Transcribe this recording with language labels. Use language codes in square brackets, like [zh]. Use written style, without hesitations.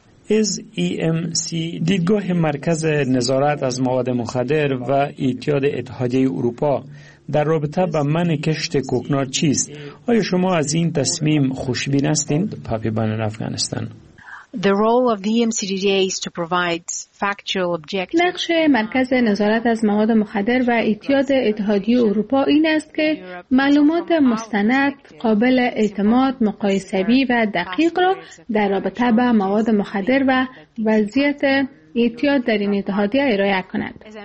[fa] از EMC دیدگاه مرکز نظارت از مواد مخدر و اعتیاد اتحادیه اروپا در رابطه با منع کشت کوکنار چیست؟ آیا شما از این تصمیم خوشبین هستید؟ [en] پاپی بانن [fa] افغانستان. [en] The role of the EMCDDA is to provide factual objective. [fa] نقش مرکز نظارت از مواد مخدر و اعتیاد اتحادیه اروپا این است که معلومات مستند، قابل اعتماد، مقایسه‌ای و دقیق را در رابطه با مواد مخدر و وضعیت اعتیاد در این اتحادیه ارائه کند.